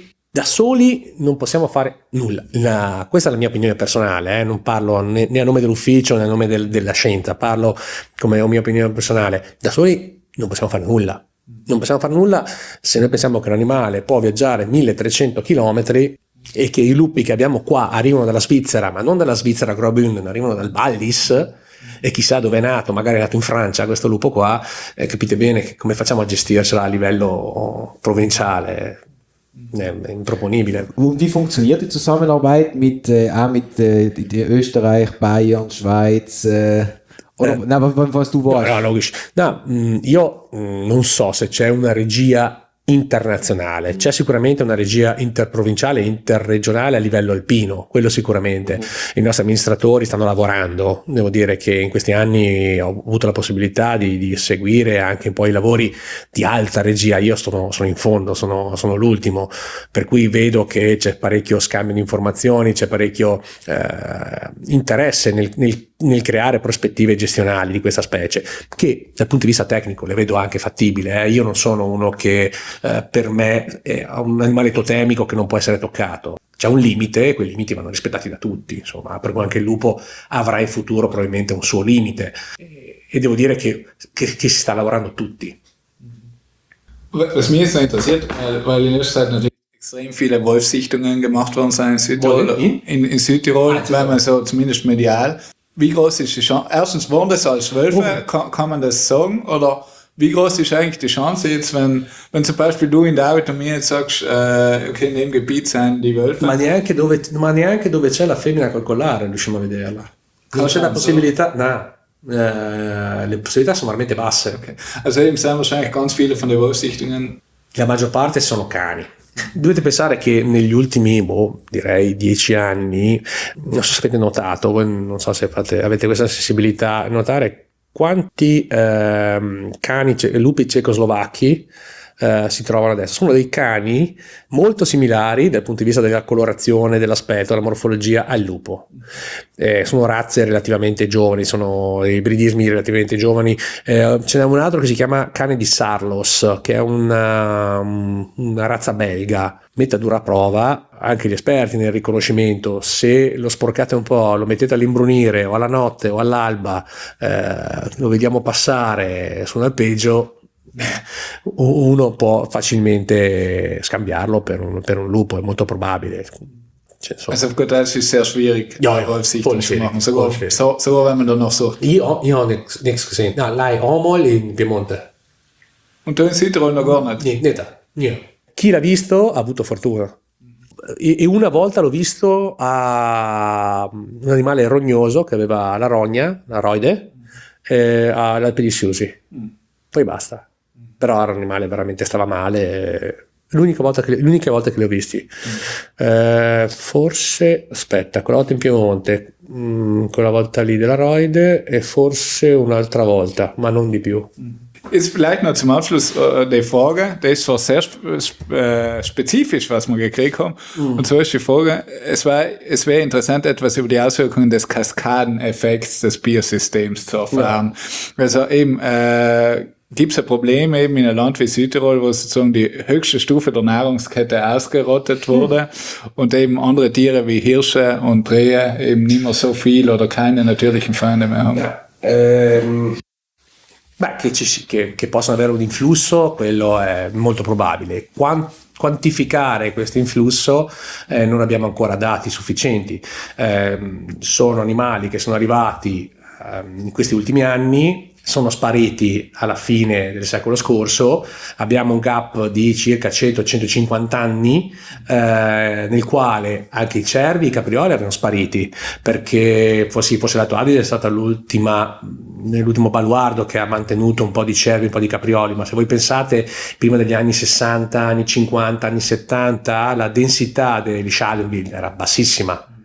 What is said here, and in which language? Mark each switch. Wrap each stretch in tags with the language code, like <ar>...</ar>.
<it>Da soli non possiamo fare nulla, questa è la mia opinione personale, non parlo né a nome dell'ufficio né a nome della scienza, parlo come mia opinione personale, da soli non possiamo fare nulla se noi pensiamo che un animale può viaggiare 1300 km e che i lupi che abbiamo qua arrivano dalla Svizzera, ma non dalla Svizzera Graubünden, arrivano dal Wallis e chissà dove è nato, magari è nato in Francia questo lupo qua, capite bene come facciamo a gestircela a livello provinciale. Improponibile.</it> <de>Und wie funktioniert die Zusammenarbeit mit Österreich, Bayern, Schweiz? Logisch.</de> <it>No, io non so se c'è una regia internazionale, c'è sicuramente una regia interprovinciale, interregionale a livello alpino, quello sicuramente. I nostri amministratori stanno lavorando, devo dire che in questi anni ho avuto la possibilità di seguire anche un po' i lavori di alta regia, io sono in fondo, sono l'ultimo, per cui vedo che c'è parecchio scambio di informazioni, c'è parecchio interesse nel creare prospettive gestionali di questa specie, che dal punto di vista tecnico le vedo anche fattibile. Io non sono uno che per me è un animale totemico che non può essere toccato. C'è un limite, quei limiti vanno rispettati da tutti, insomma, per cui anche il lupo avrà in futuro probabilmente un suo limite. E devo dire che si sta lavorando tutti.</it> <de>Was mich so interessiert, weil in Österreich natürlich extrem viele Wolfsichtungen gemacht worden sind in Südtirol. In Südtirol, weil man so zumindest medial. Wie groß ist die Chance? Erstens, waren das als Wölfe? Kann man das sagen? Oder wie groß ist eigentlich die Chance jetzt, wenn zum Beispiel du in der Arbeit und mir jetzt sagst, okay, in dem Gebiet sind die Wölfe?</de> <it>Ma neanche dove c'è la femmina col collare, riusciamo a vederla. Non c'è la possibilità? No. Le possibilità sono veramente basse.</it> <de>Okay. Also eben, sind wahrscheinlich ganz viele von den Wolfsichtungen.</de> <it>La maggior parte sono cani. Dovete pensare che negli ultimi, direi 10 anni, non so se avete notato, non so se avete questa sensibilità, notare quanti cani, lupi cecoslovacchi si trovano adesso. Sono dei cani molto similari dal punto di vista della colorazione, dell'aspetto, della morfologia al lupo. Sono razze relativamente giovani, sono ibridismi relativamente giovani. Ce n'è un altro che si chiama cane di Sarlos, che è una razza belga. Mette a dura prova anche gli esperti nel riconoscimento. Se lo sporcate un po', lo mettete all'imbrunire o alla notte o all'alba, lo vediamo passare su un alpeggio, uno può facilmente scambiarlo per un lupo, è molto probabile.</it> <de>Also auf gut Deutsch ist sehr schwierig, ja, ja, Wolfsichtungen zu machen, sogar wenn man dann noch sucht.</de> <it>Io</it> <de>nichts gesehen.</de> <it>No, lei</it> <de>einmal</de> <it>in Piemonte.</it> <de>Und du in Südtirol noch gar nicht?</de> <it>Niente. Chi l'ha visto ha avuto fortuna. E una volta l'ho visto a un animale rognoso che aveva la rogna, la roide, all'Alpe di Siusi. Poi basta. Però era un animale veramente, stava male. L'unica volta che l'ho visti, forse, aspetta, quella volta in Piemonte, quella volta lì della Roide, e forse un'altra volta, ma non di più.</it> <de>Ist vielleicht noch zum Abschluss die Frage, das war sehr spezifisch, was wir gekriegt haben. Und so ist die Frage, es wäre interessant, etwas über die Auswirkungen des Kaskadeneffekts des Biosystems zu erfahren. Ja. Also eben, gibt's ein Problem eben in einem Land wie Südtirol, wo sozusagen die höchste Stufe der Nahrungskette ausgerottet wurde und eben andere Tiere wie Hirsche und Rehe eben nicht mehr so viel oder keine natürlichen Feinde mehr haben? Ja.</de> <it>Che possano avere un influsso, quello è molto probabile. Quantificare questo influsso non abbiamo ancora dati sufficienti. Sono animali che sono arrivati in questi ultimi anni, sono spariti alla fine del secolo scorso, abbiamo un gap di circa 100-150 anni nel quale anche i cervi, i caprioli erano spariti, perché forse l'Alto Adige è stata nell'ultimo baluardo che ha mantenuto un po' di cervi, un po' di caprioli, ma se voi pensate prima degli anni 60, anni 50, anni 70, la densità degli Shelbyville era bassissima,</it>